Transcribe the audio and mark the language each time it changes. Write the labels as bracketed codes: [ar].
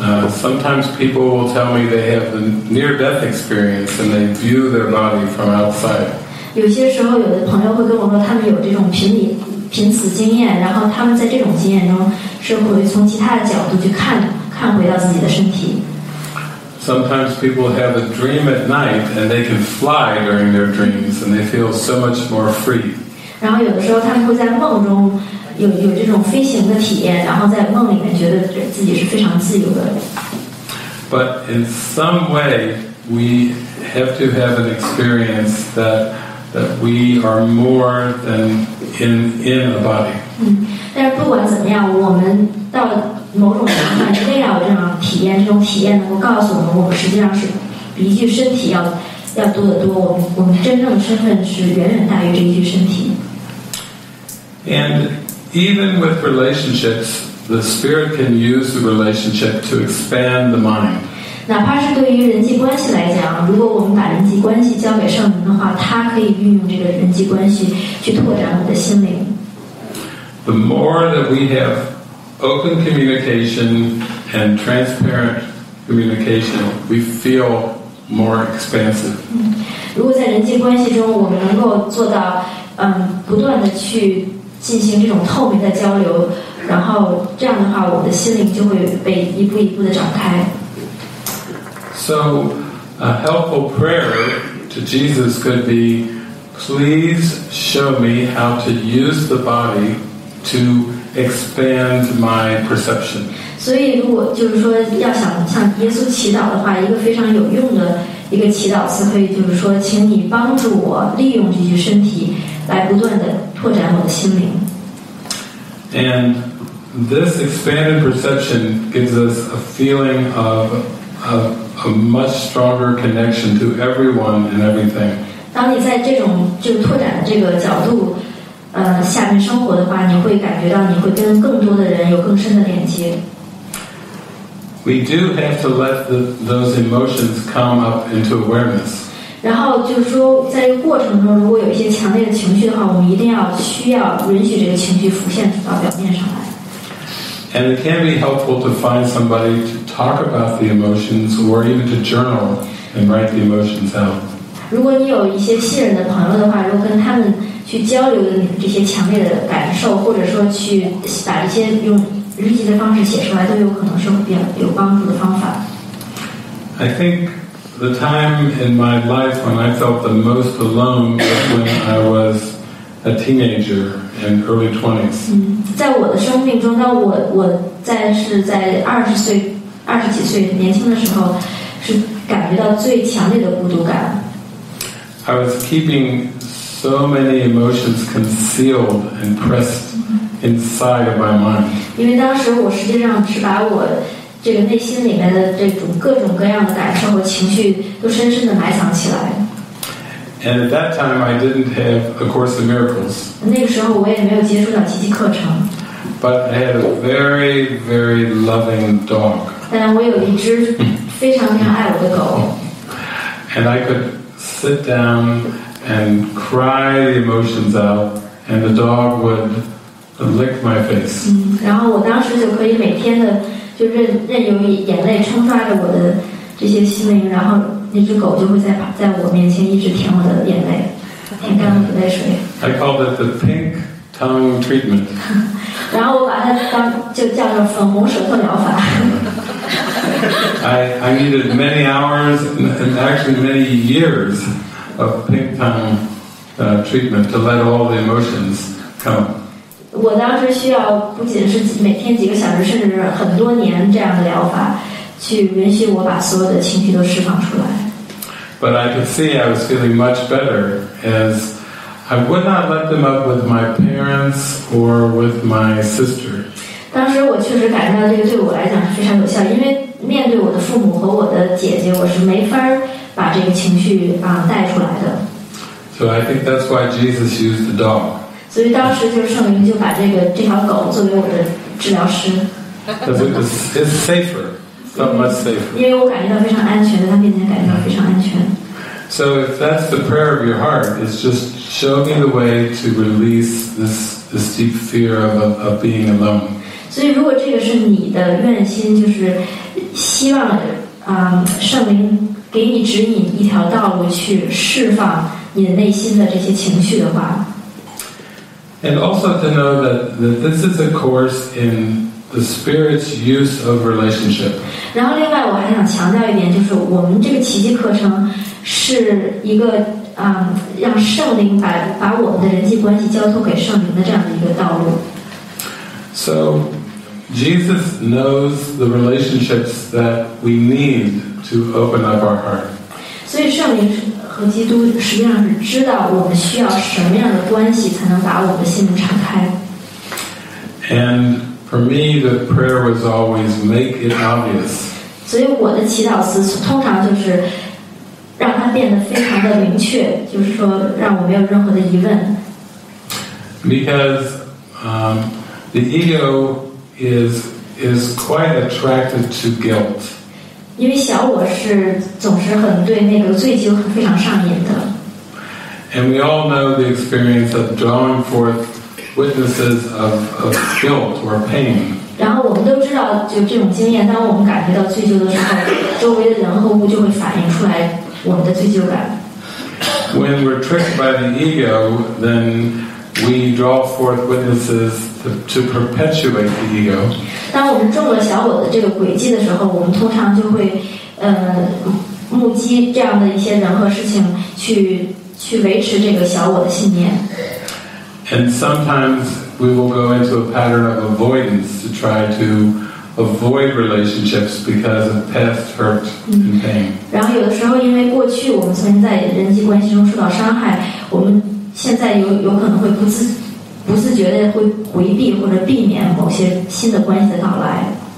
[en] Sometimes people will tell me they have a near-death experience and they view their body from outside. [zh] 有些时候有的朋友会跟我说他们有这种濒死经验，然后他们在这种经验中是会从其他的角度去看回到自己的身体。 [en] Sometimes people have a dream at night and they can fly during their dreams and they feel so much more free. [zh] 然后有的时候他们会在梦中有这种飞行的体验，然后在梦里面觉得自己是非常自由的。 [en] But in some way, we have to have an experience that we are more than in a body. [zh] 但是不管怎么样，我们到某种情况下，一定要有这样体验。这种体验能够告诉我们，我们实际上是比一具身体要多得多。我们真正的身份是远远大于这一具身体。 [en] And even with relationships, the spirit can use the relationship to expand the mind. [zh] 哪怕是对于人际关系来讲，如果我们把人际关系交给圣灵的话，它可以运用这个人际关系去拓展我们的心灵。 [en] The more that we have open communication and transparent communication, we feel more expansive. [zh] 如果在人际关系中，我们能够做到，不断的去进行这种透明的交流，然后这样的话，我们的心灵就会被一步一步的展开。 [en] So, a helpful prayer to Jesus could be, "Please show me how to use the body to expand my perception." [zh] 所以，如果就是说要想向耶稣祈祷的话，一个非常有用的一个祈祷词可以就是说，请你帮助我利用这具身体来不断的拓展我的心灵。 [en] And this expanded perception gives us a feeling of a much stronger connection to everyone and everything. [zh] 当你在这种就拓展这个角度下面生活的话，你会感觉到你会跟更多的人有更深的连接。 [en] We do have to let those emotions come up into awareness. [zh] 然后就是说在这个过程中，如果有一些强烈的情绪的话，我们一定要需要允许这个情绪浮现到表面上来。 [en] And it can be helpful to find somebody to talk about the emotions or even to journal and write the emotions out. [zh] 如果你有一些信任的朋友的话，如果跟他们去交流这些强烈的感受，或者说去把一些用日记的方式写出来，都有可能是比较有帮助的方法。 [en] I think the time in my life when I felt the most alone was when I was a teenager in early 20s. [zh] 在我的生命中，当我在是在二十几岁年轻的时候，是感觉到最强烈的孤独感。 [en] I was keeping so many emotions concealed and pressed inside of my mind. [zh] 因为当时我实际上是把我这个内心里面的这种各种各样的感受和情绪都深深的埋藏起来。 [en] And at that time, I didn't have A Course in Miracles. [zh] 那个时候我也没有接触到奇迹课程。 [en] But I had a very, very loving dog. [zh] 但我有一只非常非常爱我的狗。 [en] And I could sit down and cry the emotions out, and the dog would lick my face. [zh] 然后我当时就可以每天的就任由眼泪冲刷着我的这些心灵，然后那只狗就会在我面前一直舔我的眼泪，舔干了泪水。 [en] I called it the pink tongue treatment. [zh] 然后我把它当就叫做粉红舌头疗法。 [en] I needed many hours and actually many years of pink tongue treatment to let all the emotions come. [zh] 我当时需要不仅是每天几个小时，甚至很多年这样的疗法，去允许我把所有的情绪都释放出来。 [en] But I could see I was feeling much better as I would not let them up with my parents or with my sister. [zh] 当时我确实感觉到这个对我来讲是非常有效，因为面对我的父母和我的姐姐，我是没法把这个情绪带出来的。 [en] So I think that's why Jesus used the dog. [zh] 所以当时就是圣灵就把这条狗作为我的治疗师。 [en] Because it's safer. Much safer. So if that's the prayer of your heart, it's just show me the way to release this deep fear of being alone. So if this is your [zh] 愿心，就是希望圣灵给你指引一条道路去释放你内心的这些情绪的话。 [en] And also to know that this is a course in the spirit's use of relationship. [zh] 然后另外我还想强调一点，就是我们这个奇迹课程是一个让圣灵把我们的人际关系交托给圣灵的这样的一个道路。 [en] So Jesus knows the relationships that we need to open up our heart. [zh] 所以圣灵和基督实际上是知道我们需要什么样的关系才能把我们的心门敞开。 [en] And for me, the prayer was always make it obvious. [zh] 所以我的祈祷词通常就是让它变得非常的明确，就是说让我没有任何的疑问。 [en] Because, the ego is quite attracted to guilt. [zh] 因为小我是总是很对那个罪疚非常上瘾的。 [en] And we all know the experience of drawing forth witnesses of guilt or pain. [zh] 然后我们都知道就这种经验，当我们感觉到罪疚的时候，周围的人和物就会反映出来我们的罪疚感。 [en] When we're tricked by the ego, then we draw forth witnesses to perpetuate the ego. [zh] 当我们中了小我的这个诡计的时候，我们通常就会目击这样的一些人和事情，去维持这个小我的信念。 [en] And sometimes we will go into a pattern of avoidance to try to avoid relationships because of past hurt and pain. [zh] 然后有的时候，因为过去我们曾经在人际关系中受到伤害，我们现在有可能会不自觉地会回避或者避免某些新的关系的到来。